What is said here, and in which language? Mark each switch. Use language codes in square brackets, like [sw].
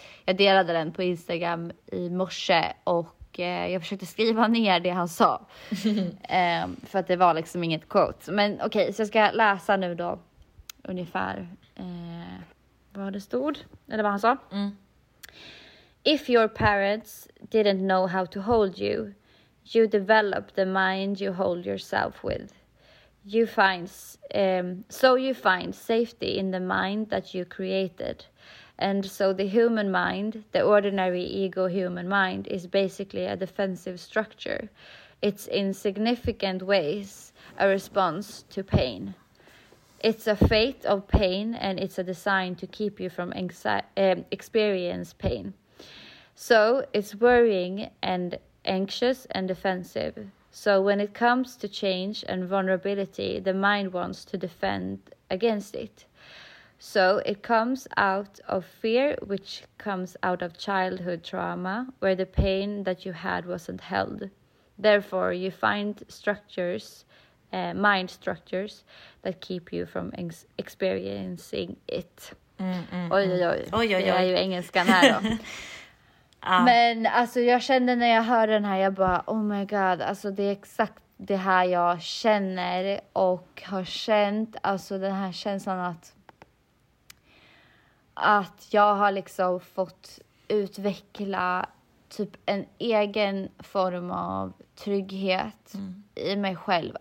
[sv] Jag delade den på Instagram i morse. Och jag försökte skriva ner det han sa. för att det var liksom inget quote. Men okej, så jag ska läsa nu då. Ungefär... vad det stod, eller vad han sa. [en] If your parents didn't know how to hold you, you develop the mind you hold yourself with. You find so you find safety in the mind that you created. And so the human mind, the ordinary ego human mind, is basically a defensive structure. It's in significant ways a response to pain. It's a fate of pain, and it's a design to keep you from experience pain. So it's worrying and anxious and defensive. So when it comes to change and vulnerability, the mind wants to defend against it. So it comes out of fear, which comes out of childhood trauma, where the pain that you had wasn't held. Therefore, you find structures... mind structures that keep you from experiencing it. [sv] Oj. Det är ju engelskan här då. Men alltså jag kände när jag hörde den här, jag bara, [en] oh my god, [sv] alltså det är exakt det här jag känner och har känt, alltså den här känslan att jag har liksom fått utveckla typ en egen form av trygghet i mig själv.